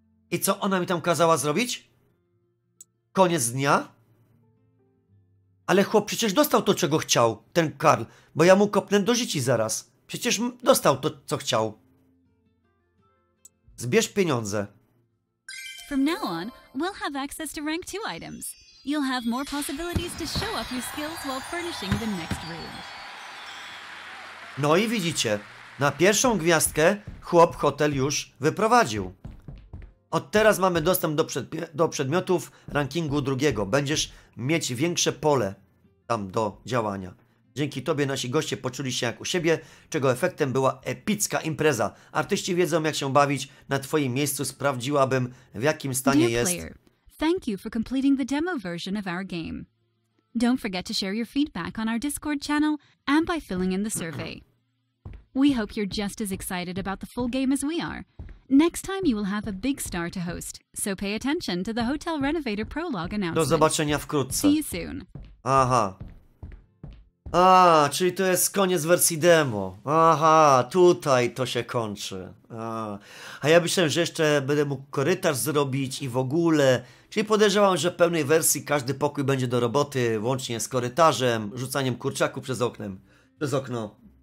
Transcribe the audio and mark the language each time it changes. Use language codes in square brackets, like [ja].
[pl] I co ona mi tam kazała zrobić? Koniec dnia? Ale chłop przecież dostał to, czego chciał, ten Karl, bo ja mu kopnę do życi zaraz. Przecież dostał to, co chciał. Zbierz pieniądze. [en] From now on, we'll have access to rank 2 items. You'll have more possibilities to show off your skills while furnishing the next room. [pl] No i widzicie, na pierwszą gwiazdkę chłop hotel już wyprowadził. Od teraz mamy dostęp do przedmiotów rankingu drugiego. Będziesz mieć większe pole tam do działania. Dzięki Tobie nasi goście poczuli się jak u siebie, czego efektem była epicka impreza. Artyści wiedzą, jak się bawić. Na Twoim miejscu sprawdziłabym, w jakim stanie jest. [en] Dear player, thank you for completing the demo version of our game. Don't forget to share your feedback on our Discord channel and by filling in the survey. We hope you're just as excited about the full game as we are. Next time you will have a big star to host, so pay attention to the Hotel Renovator Prologue announcement. [pl] Do zobaczenia wkrótce. [en] See you soon. [pl] Aha. A, czyli to jest koniec wersji demo. Aha, tutaj to się kończy. A ja myślałem, że jeszcze będę mógł korytarz zrobić i w ogóle. Czyli podejrzewam, że w pełnej wersji każdy pokój będzie do roboty, łącznie z korytarzem, rzucaniem kurczaku przez okno.